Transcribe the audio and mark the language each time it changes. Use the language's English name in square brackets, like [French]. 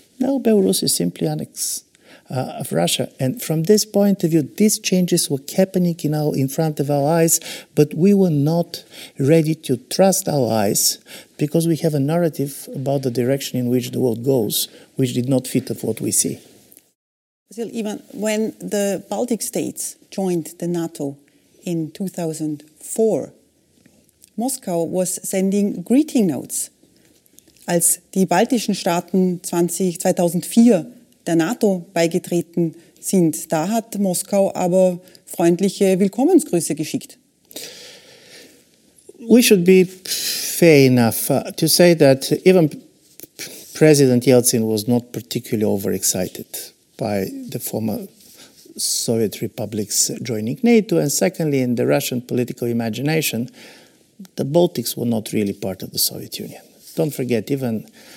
[English] Now Belarus is simply annexed of Russia. And from this point of view, these changes were happening in front of our eyes, but we were not ready to trust our eyes because we have a narrative about the direction in which the world goes, which did not fit of what we see. Still, Ivan, when the Baltic states joined the NATO in 2004, Moscow was sending greeting notes. [German] Als die baltischen Staaten 2004 der NATO beigetreten sind, da hat Moskau aber freundliche Willkommensgrüße geschickt. [English] We should be fair enough to say that even President Yeltsin was not particularly overexcited by the former Soviet republics joining NATO. And secondly, in the Russian political imagination, the Baltics were not really part of the Soviet Union. Don't forget, even